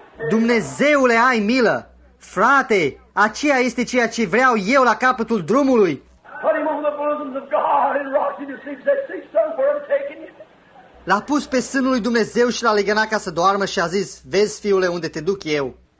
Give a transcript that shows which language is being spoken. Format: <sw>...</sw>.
<ro>Dumnezeule, ai milă! Frate, aceea este ceea ce vreau eu la capătul drumului.</ro> <en>Put him on the bosoms of God and rock him to sleep.</en> <ro>L-a pus pe sânul lui Dumnezeu și l-a legănat ca să doarmă și a zis, vezi, fiule, unde te duc eu.</ro>